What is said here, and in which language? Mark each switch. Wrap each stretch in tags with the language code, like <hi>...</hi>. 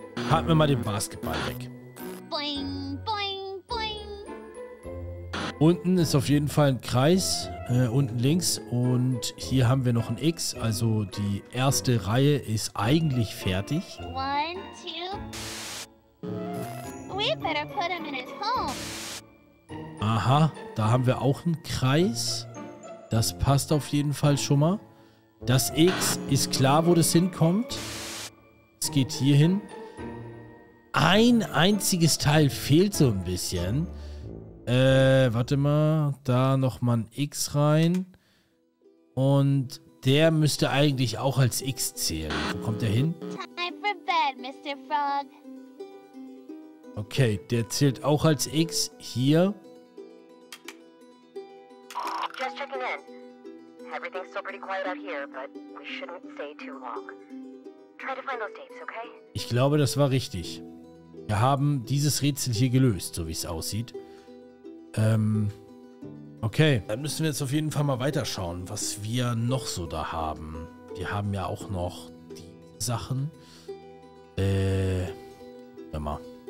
<de>Packen wir mal den Basketball weg. Boing, boing, boing. Unten ist auf jeden Fall ein Kreis, unten links. Und hier haben wir noch ein X. Also die erste Reihe ist eigentlich fertig.</de> <en>One, two. We better put him in his home.</en> <de>Aha, da haben wir auch einen Kreis. Das passt auf jeden Fall schon mal. Das X ist klar, wo das hinkommt. Es geht hier hin. Ein einziges Teil fehlt so ein bisschen. Warte mal. Da nochmal ein X rein. Und der müsste eigentlich auch als X zählen. Wo kommt der hin?</de> <en>Time for bed, Mr. Frog.</en> <de>Okay, der zählt auch als X. Hier.</de> <en>Just checking in. Everything's still pretty quiet out here, but we shouldn't stay too long. Try to find those tapes, okay?</en> <de>Ich glaube, das war richtig. Wir haben dieses Rätsel hier gelöst, so wie es aussieht. Okay. Dann müssen wir jetzt auf jeden Fall mal weiterschauen, was wir noch so da haben. Wir haben ja auch noch die Sachen. Hör mal.</de>